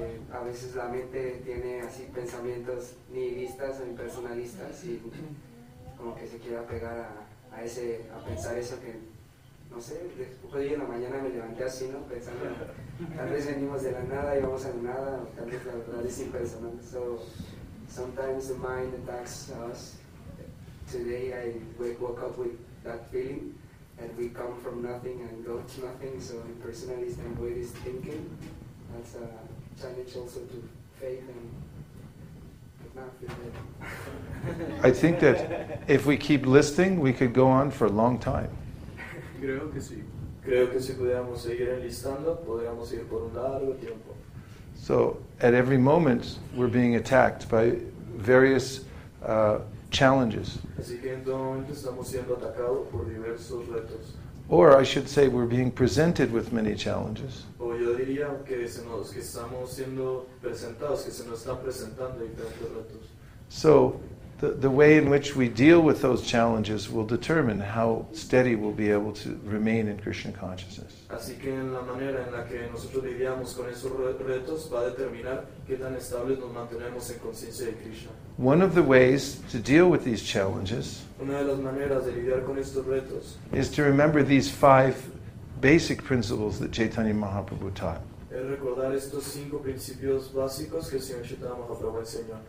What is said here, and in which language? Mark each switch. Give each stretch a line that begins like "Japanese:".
Spanish: A veces la mente tiene así pensamientos nihilistas o impersonalistas, y como que se quiere apegar a pensar eso que, no sé, después de la mañana me levanté así, ¿no? Pensando... Tal vez venimos de la nada y vamos a la nada, tal vez la verdad es impersonal.
English: So, sometimes the mind attacks us. Today I woke up with that feeling that we come from nothing and go to nothing. So, impersonalist and what is thinking, that's a challenge also to faith and not feel that. I think that if we keep listing, we could go on for a long time.
Spanish: Creo que sí. Creo que si pudiéramos seguir enlistando, podríamos ir por un largo tiempo.
English: So, at every moment, we're being attacked by various challenges.
Spanish: Así que en todo momento estamos siendo atacados por diversos retos.
English: Or, I should say, we're being presented with many challenges.
Spanish: O yo diría que estamos siendo presentados, que se nos están presentando diferentes retos.
English: So, the way in which we deal with those challenges will determine how steady we'll be able to remain in Krishna consciousness.
Spanish: Así que en la manera en la que nosotros lidiamos con esos retos va a determinar qué tan estables nos mantenemos en conciencia de Krishna.
English: One of the ways to deal with these challenges,
Spanish: una de las maneras de lidiar con estos retos,
English: is to remember these five basic principles that Chaitanya Mahaprabhu taught.
Spanish: Es recordar estos cinco principios básicos que el Señor Chaitanya Mahaprabhu enseñó.